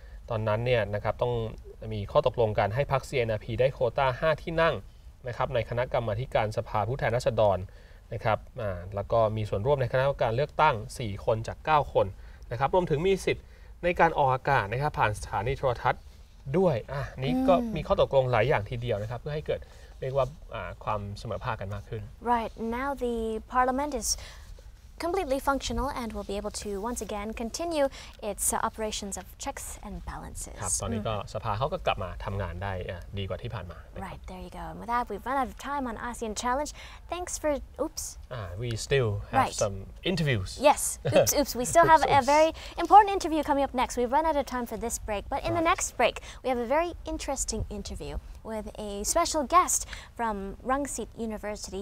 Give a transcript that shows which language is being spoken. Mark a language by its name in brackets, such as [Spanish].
[Thai] ตอนนั้นเนี่ยนะครับต้องมีข้อตกลงกันให้พรรค CNRP ได้โควต้า5ที่นั่งนะครับในคณะกรรมการสภาผู้แทนราษฎรนะครับแล้วก็มีส่วนร่วมในคณะกรรมการเลือกตั้ง4คนจาก9คนนะครับรวมถึงมีสิทธิ์ในการออกอากาศนะครับผ่านสถานีโทรทัศน์ด้วยนี้ก็มีข้อตกลงหลายอย่างทีเดียวนะครับเพื่อให้เกิดเรียกว่าความเสมอภาคกันมากขึ้น [English] Right now the parliament is completely functional and will be able to once again continue its operations of checks and balances. [Thai] ครับตอนนี้ก็สภาเขาก็กลับมาทำงานได้ดีกว่าที่ผ่านมา [English] Right there you go. And with that, we've run out of time on ASEAN Challenge. Thanks for oops. We still have some interviews. Yes. Oops. We still have a very important interview coming up next. We've run out of time for this break, but in the next break, we have a very interesting interview. with a special guest from Rungsit University.